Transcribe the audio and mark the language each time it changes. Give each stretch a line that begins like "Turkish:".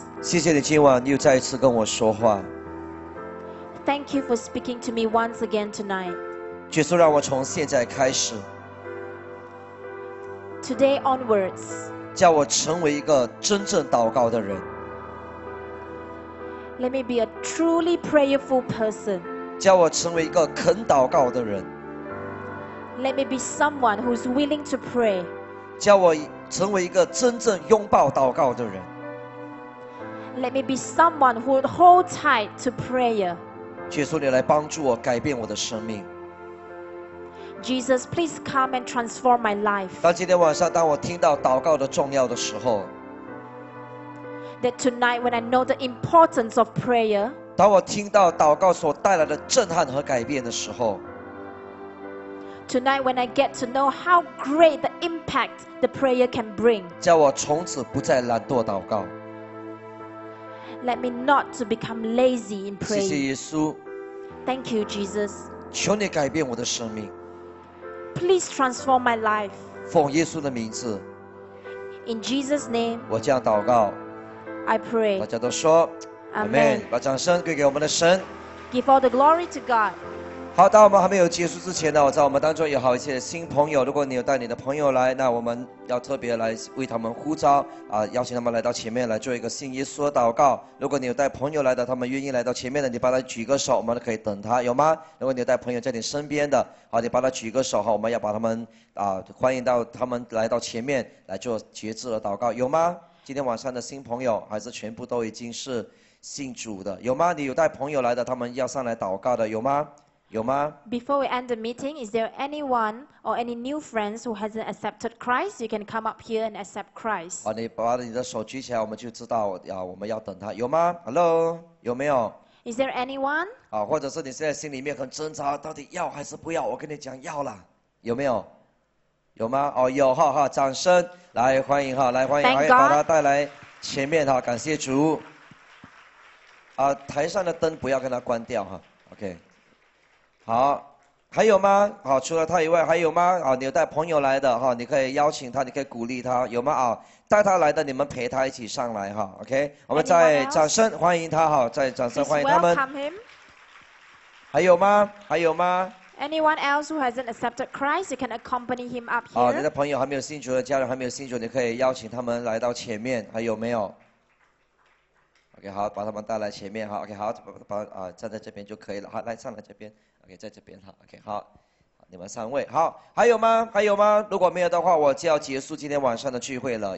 Chinese: 谢谢你今晚又再一次跟我说话。
English: Thank you for speaking to me once again tonight.
Chinese: 主耶稣，让我从现在开始。
English: Today onwards,
Chinese: 叫我成为一个真正祷告的人。
English: Let me be a truly prayerful person.
Chinese: 叫我成为一个肯祷告的人。
English: Let me be someone who's willing to pray.
Chinese: 叫我成为一个真正拥抱祷告的人。
English: Let me be someone who would hold tight to prayer.
Chinese: 主耶稣，你来帮助我改变我的生命。
English: Jesus, please come and transform my life.
Chinese: 当今天晚上，当我听到祷告的重要的时候。
English: That tonight, when I know the importance of prayer.
Chinese: 当我听到祷告所带来的震撼和改变的时候
English: Tonight when I get to know how great the impact the prayer can bring
Chinese: 叫我从此不再懒惰祷告
English: Let me not to become lazy in praying
Chinese: 谢谢耶稣
English: Thank you Jesus
Chinese: 求你改变我的生命
English: Please transform my life
Chinese: 奉耶稣的名字
English: In Jesus name
Chinese: 我这样祷告
English: I pray
Chinese: 大家都说
English: Amen. Amen.
Chinese: 把掌声归给我们的神。
English: Give all the glory to God.
Chinese: 好，当我们还没有结束之前呢，我在我们当中有好一些新朋友。如果你有带你的朋友来，那我们要特别来为他们呼召啊，邀请他们来到前面来做一个信耶稣的祷告。如果你有带朋友来的，他们愿意来到前面的，你帮他举个手，我们可以等他，有吗？如果你有带朋友在你身边的，好，你帮他举个手哈，我们要把他们啊欢迎到他们来到前面来做节制的祷告，有吗？今天晚上的新朋友还是全部都已经是。信主的有吗？你有带朋友来的，他们要上来祷告的有吗？有吗
English: ？Before we end the meeting, is there anyone or any new friends who hasn't accepted Christ? You can come up here and accept Christ.
Chinese: 啊，你把你的手举起来，我们就知道啊，我们要等他有吗 ？Hello， 有没有
English: ？Is there anyone？
Chinese: 啊，或者是你现在心里面很挣扎，到底要还是不要？我跟你讲，要了，有没有？有吗？哦，有哈哈，掌声来欢迎哈，来欢迎，欢迎把他带来前面哈，感谢主。啊，台上的灯不要跟它关掉哈 ，OK。好，还有吗？好，除了他以外还有吗？啊，你有带朋友来的哈，你可以邀请他，你可以鼓励他，有吗？啊，带他来的你们陪他一起上来哈 ，OK。我们再掌声欢迎他哈，再掌声欢迎他们。还有吗？还有吗
English: ？Anyone else who hasn't accepted Christ, you can accompany him up here.
Chinese: 啊，你的朋友还没有信主的家人还没有信主，你可以邀请他们来到前面，还有没有？ OK， 好，把他们带来前面哈。OK， 好，把站在这边就可以了。好，来上来这边。OK， 在这边哈。 OK， 好，你们三位好，还有吗？还有吗？如果没有的话，我就要结束今天晚上的聚会了。